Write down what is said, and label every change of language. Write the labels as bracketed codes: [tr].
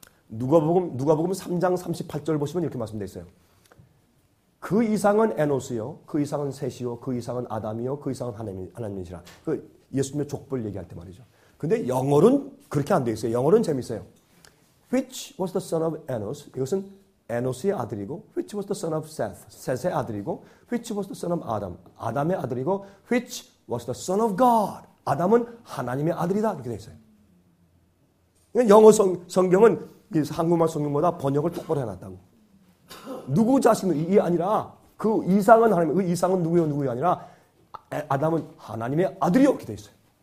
[ko] 누가복음 3장 38절 보시면 이렇게 말씀되어 있어요. 그 이상은 에노스요. 그 이상은 셋이요. 그 이상은 아담이요. 그 이상은 하나님이시라. 그 예수님의 족벌 얘기할 때 말이죠. 근데 영어로는 그렇게 안 되어 있어요. 영어로는 재밌어요. [en] Which was the son of Enos? [ko] 이것은 Enos의 아들이고 [en] Which was the son of Seth? [ko] Seth의 아들이고 [en] Which was the son of Adam? [ko] 아담의 아들이고 [en] Which was the son of God? [ko] 아담은 하나님의 아들이다. 이렇게 되어 있어요. 영어 성경은 한국말 성경보다 번역을 똑바로 해놨다고. 누구 자식이 아니라 그 이상은 하나님, 그 이상은 누구요 누구요 아니라 아담은 하나님의 아들이요. 이렇게 되어 있어요.